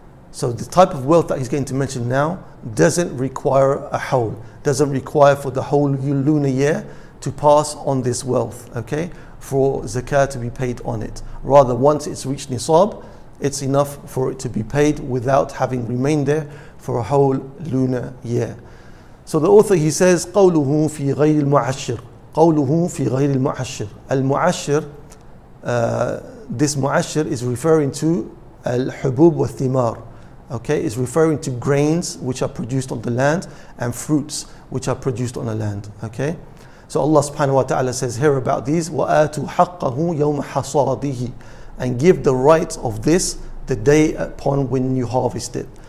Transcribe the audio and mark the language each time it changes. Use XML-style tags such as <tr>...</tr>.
<en>So the type of wealth that he's going to mention now doesn't require a hawl, doesn't require for the whole lunar year to pass on this wealth, okay, for zakah to be paid on it. Rather, once it's reached nisab, it's enough for it to be paid without having remained there for a whole lunar year.</en> <ar>So the author, he says, قَوْلُهُ فِي غَيْرِ الْمُعَشِّرِ قَوْلُهُ فِي غَيْرِ الْمُعَشِّرِ الْمُعَشِّرِ,</ar> <en>this mu'ashir is referring to</en> <ar>الْحُبُوبُ وَالثِّمَارِ.</ar> <en>Okay, it's referring to grains which are produced on the land and fruits which are produced on the land. Okay, so Allah subhanahu wa ta'ala says here about these,</en> <ar>وَآتُوا حَقَّهُ يَوْمَ حَصَادِهِ,</ar> <en>and give the rights of this the day upon when you harvest it.</en>